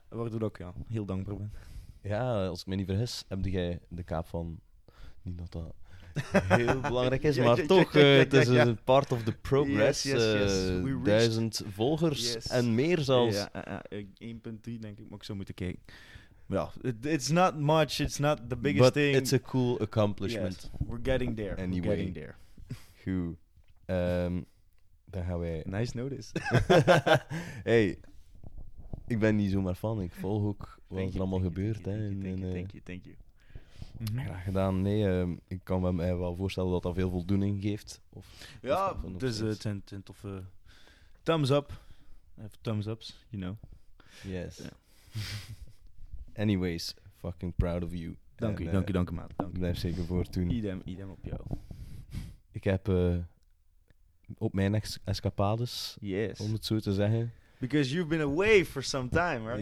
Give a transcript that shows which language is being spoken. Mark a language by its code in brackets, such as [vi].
[nl] Waardoor ik ja, heel dankbaar ben. Ja, als ik me niet vergis, heb jij de kaap van, niet dat dat heel belangrijk is, maar toch, het is een [en] part of the progress. Yes. [nl] 1000 volgers en meer zelfs. Ja, 1.3 denk ik, maar ik zou moeten kijken. [en] Ja, it's not much, it's not the biggest but thing. But it's a cool accomplishment. Yes. We're getting there. Anyway. We're getting there. [nl] Goed. Dan gaan wij. [en] Nice notice. [nl] Hey, ik ben niet zomaar fan, ik volg ook wat er allemaal gebeurt. [en] Thank you. [nl] Graag gedaan. Nee, ik kan me wel voorstellen dat dat veel voldoening geeft. Het zijn toffe thumbs up. [en] Even thumbs ups, you know. Yes. Yeah. Anyways, fucking proud of you. [nl] Dank u, maat. Blijf zeker voor toen. Idem op jou. Ik heb op mijn escapades, [en] yes, [nl] om het zo te zeggen. [en] Because you've been away for some time, right?